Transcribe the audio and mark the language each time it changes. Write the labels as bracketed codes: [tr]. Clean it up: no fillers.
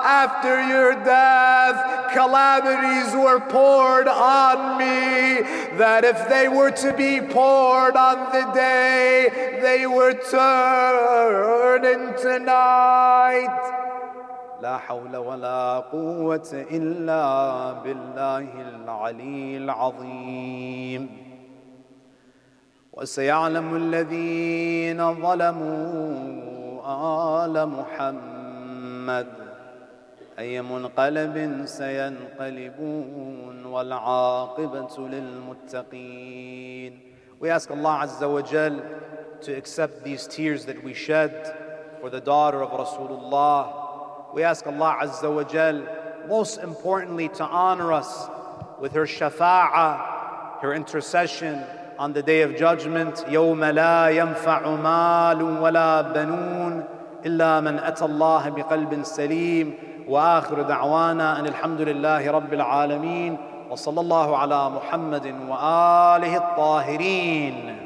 [en] After your death, calamities were poured on me, that if they were to be poured on the day, they were turned into night. [ar] لا حول ولا قوة إلا بالله العلي العظيم. وسيعلم الذين ظلموا آل محمد أي منقلب سينقلبون والعاقبة للمتقين. [en] We ask Allah Azza wa Jal to accept these tears that we shed for the daughter of Rasulullah. We ask Allah Azza wa Jal, most importantly, to honor us with her shafa'a, her intercession on the Day of Judgment. [ar] يَوْمَ لَا يَنْفَعُ مَالٌ وَلَا بَنُونَ إِلَّا مَنْ أَتَى اللَّهَ بِقَلْبٍ سَلِيمٍ وآخر دعوانا أن الحمد لله رب العالمين وصلى الله على محمد وآله الطاهرين.